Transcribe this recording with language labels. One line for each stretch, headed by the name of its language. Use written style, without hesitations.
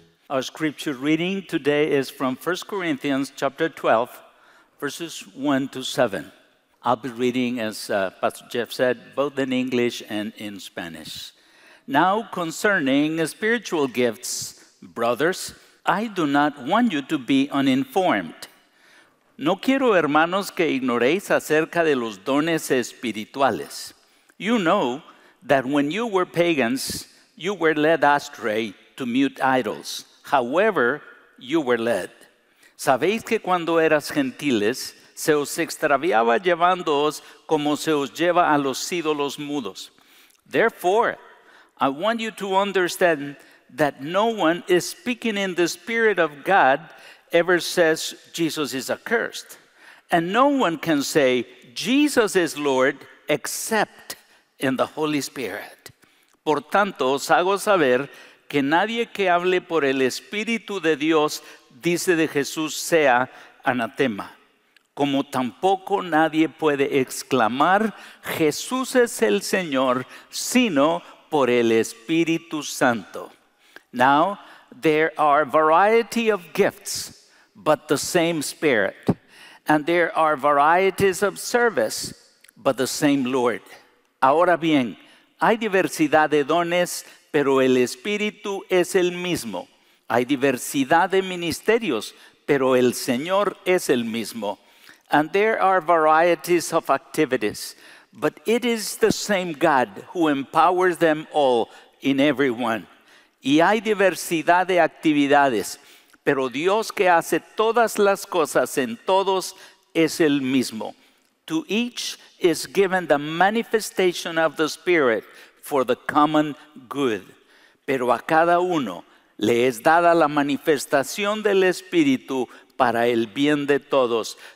English: Our scripture reading today is from 1 Corinthians chapter 12, verses 1 to 7. I'll be reading, as Pastor Jeff said, both in English and in Spanish. Now concerning spiritual gifts, brothers, I do not want you to be uninformed.
Spanish: No quiero, hermanos, que ignoréis acerca de los dones espirituales.
English: You know that when you were pagans, you were led astray to mute idols. However, you were led.
Spanish: Sabéis que cuando eras gentiles, se os extraviaba llevándoos como se os lleva a los ídolos mudos.
English: Therefore, I want you to understand that no one is speaking in the Spirit of God ever says Jesus is accursed. And no one can say Jesus is Lord except in the Holy Spirit.
Spanish: Por tanto, os hago saber que nadie que hable por el Espíritu de Dios dice de Jesús sea anatema. Como tampoco nadie puede exclamar Jesús es el Señor, sino por el Espíritu Santo.
English: Now, there are variety of gifts, but the same Spirit. And there are varieties of service, but the same Lord.
Spanish: Ahora bien, hay diversidad de dones, pero el Espíritu es el mismo. Hay diversidad de ministerios, pero el Señor es el mismo.
English: And there are varieties of activities, but it is the same God who empowers them all in everyone.
Spanish: Y hay diversidad de actividades, pero Dios que hace todas las cosas en todos es el mismo.
English: To each is given the manifestation of the Spirit for the common good.
Spanish: Pero a cada uno le es dada la manifestación del Espíritu para el bien de todos.